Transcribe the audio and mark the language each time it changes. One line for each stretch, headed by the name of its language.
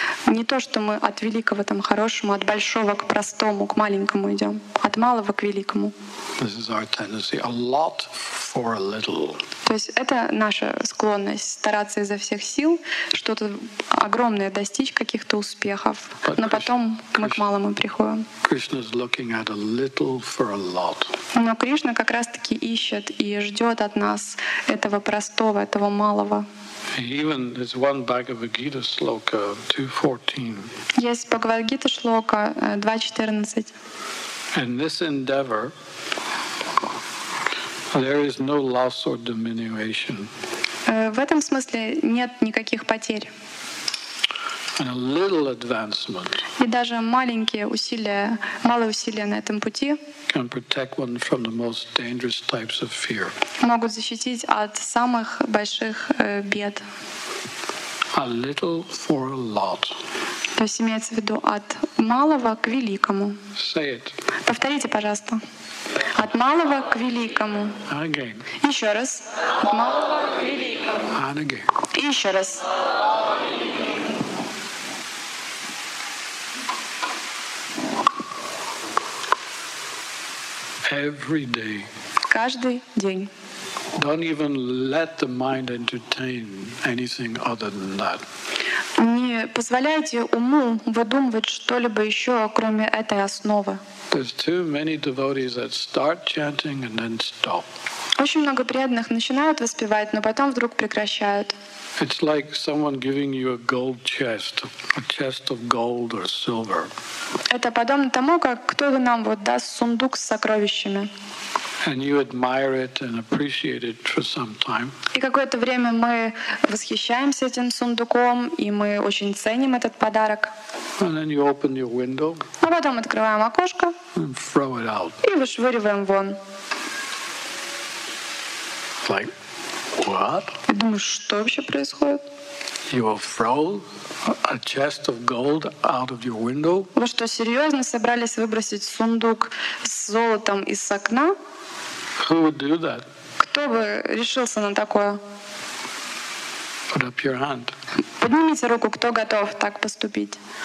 Russian: Не то, что мы от великого там хорошему, от большого к простому, к маленькому идем, от малого к великому.
English: This is our tendency, a lot for a little.
Russian: То есть это наша склонность стараться изо всех сил что-то огромное достичь, каких-то успехов, но потом мы к малому приходим.
English: Krishna's looking at a little for a lot.
Russian: Но Кришна как раз-таки ищет и ждет от нас этого простого, этого малого.
English: Even there's one Bhagavad Gita sloka 2.14. Yes, Bhagavad Gita sloka 2.14. In this endeavor, there is no loss or diminution.
Russian: В этом смысле нет никаких потерь.
English: And a little advancement.
Russian: И даже маленькие усилия, малые усилия на этом пути.
English: Can protect one from the most dangerous types of fear.
Russian: Могут защитить от самых больших бед.
English: A little for a lot.
Russian: То есть имеется в виду от малого к великому.
English: Say it.
Russian: Повторите, пожалуйста. От малого к великому.
English: Again.
Russian: Еще раз. От малого к великому.
English: And again.
Russian: И еще раз.
English: Every day.
Russian: Каждый день.
English: Don't even let the mind entertain anything other than that.
Russian: Не позволяйте уму выдумывать что-либо еще, кроме этой основы.
English: There's too many devotees that start chanting and then stop.
Russian: Очень много преданных начинают воспевать, но потом вдруг прекращают.
English: It's like someone giving you a gold chest, a chest of gold or silver.
Russian: Это подобно тому, как кто-то нам вот даст сундук с сокровищами.
English: And you admire it and appreciate it for some time.
Russian: И какое-то время мы восхищаемся этим сундуком, и мы очень ценим этот подарок.
English: And then you open your window.
Russian: А потом открываем окошко.
English: And throw it out.
Russian: И вышвыриваем вон.
English: Like what?
Russian: И думаешь, что вообще происходит?
English: You will throw a chest of gold out of your window?
Russian: Вы что, серьезно собрались выбросить сундук с золотом из окна?
English: Who would do that?
Russian: Кто бы решился на такое?
English: Put up your hand.
Russian: Поднимите руку, кто готов так поступить.